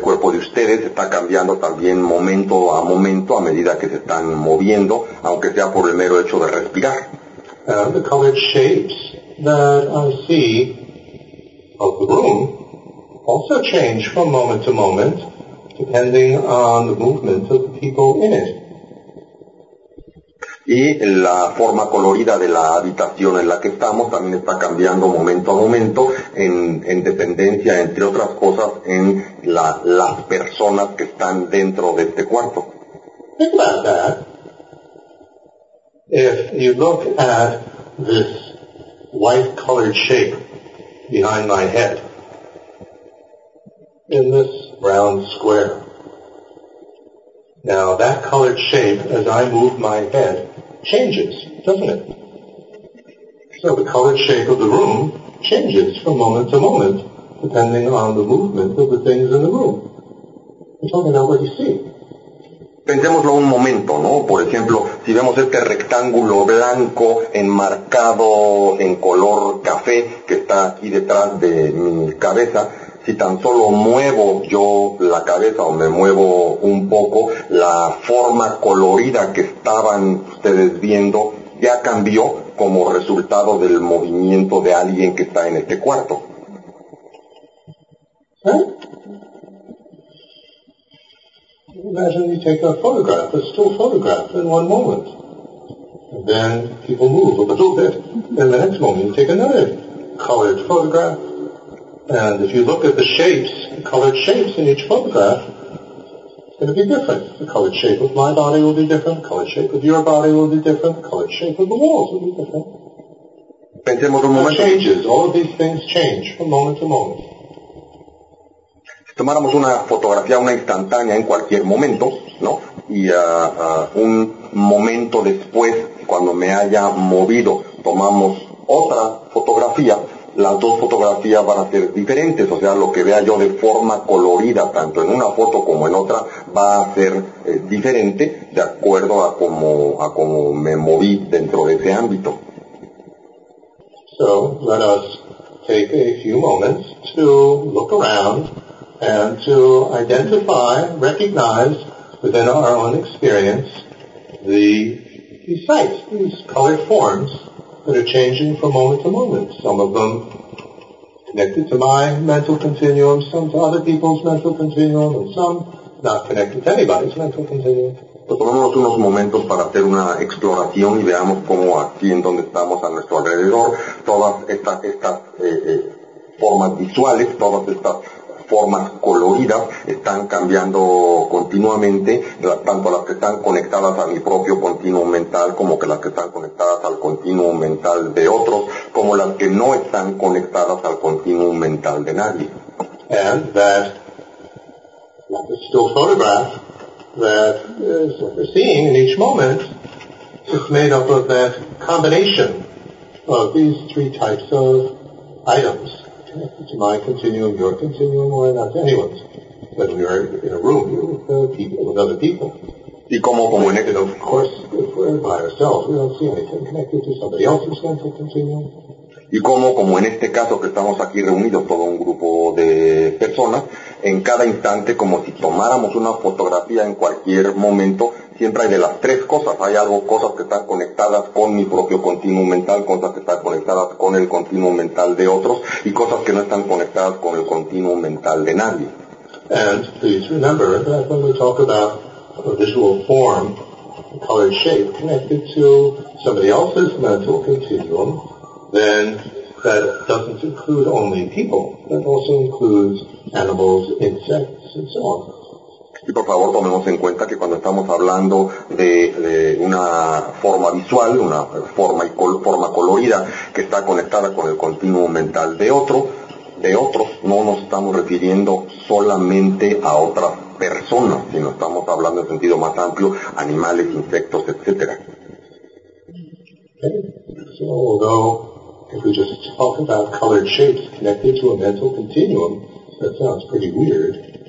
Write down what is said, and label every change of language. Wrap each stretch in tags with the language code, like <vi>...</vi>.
<es>cuerpo de ustedes está cambiando también momento a momento a medida que se están moviendo, aunque sea por el mero hecho de respirar.</es> <en>And the colored shapes that I see of the room also change from moment to moment depending on the movement of the people in it.</en> <es>Y la forma colorida de la habitación en la que estamos también está cambiando momento a momento en dependencia, entre otras cosas, en las personas que están dentro de este cuarto.</es> <en>Think about that. If you look at this white colored shape behind my head, in this round square, now that colored shape, as I move my head, changes, doesn't it? So the colored shape of the room changes from moment to moment, depending on the movement of the things in the room. We're talking about what you see.</en> <es>Pensemoslo un momento, ¿no? Por ejemplo, si vemos este rectángulo blanco enmarcado en color café que está aquí detrás de mi cabeza, si tan solo muevo yo la cabeza o me muevo un poco, la forma colorida que estaban ustedes viendo ya cambió como resultado del movimiento de alguien que está en este cuarto.</es> <en>¿Eh? Imagine you take a photograph, a still photograph, in one moment. And then people move a little bit. And the next moment you take another colored photograph. And if you look at the shapes, the colored shapes in each photograph, it's going to be different. The colored shape of my body will be different, the colored shape of your body will be different, the colored shape of the walls will be different.</en> <es>Pensemos un momento.</es> <en>It changes. All of these things change from moment to moment.</en> <es>Si tomáramos una fotografía, una instantánea en cualquier momento, ¿no? Y un momento después, cuando me haya movido, tomamos otra fotografía, las dos fotografías van a ser diferentes, o sea, lo que vea yo de forma colorida, tanto en una foto como en otra, va a ser diferente de acuerdo a cómo me moví dentro de ese ámbito.</es> <en>So, let us take a few moments to look around and to identify, recognize within our own experience these sights, these color forms that are changing from moment to moment. Some of them connected to my mental continuum, some to other people's mental continuum, and some not connected to anybody's mental continuum.</en> <es>Pues tomémonos unos momentos para hacer una exploración y veamos cómo aquí en donde estamos a nuestro alrededor todas estas formas visuales, todas estas formas coloridas están cambiando continuamente, tanto las que están conectadas a mi propio continuum mental como que las que están conectadas al continuum mental de otros, como las que no están conectadas al continuum mental de nadie.</es> <en>And that still photograph that is what we're seeing in each moment is made up of that combination of these three types of items connected to my continuum, your continuum, or not to anyone's. When we are in a room, you're with people, with other people.</en> <es>Y como</es> <en>connected, of course, if we're by ourselves, we don't see anything connected to somebody else's mental continuum.</en> <es>Y como en este caso que estamos aquí reunidos todo un grupo de personas, en cada instante, como si tomáramos una fotografía en cualquier momento, siempre hay de las tres cosas. Hay algo, cosas que están conectadas con mi propio continuum mental, cosas que están conectadas con el continuum mental de otros, y cosas que no están conectadas con el continuum mental de nadie.</es> <en>And please remember that when we talk about a visual form, a colored shape connected to somebody else's mental continuum, then that doesn't include only people, that also includes animals, insects, and so on.</en> <es>Y por favor tomemos en cuenta que cuando estamos hablando de una forma visual, una forma y forma colorida que está conectada con el continuum mental de otros, no nos estamos refiriendo solamente a otras personas, sino estamos hablando en sentido más amplio, animales, insectos, etc.</es> <en>Okay. So although if we just talk about colored shapes connected to a mental continuum, that sounds pretty weird.</en>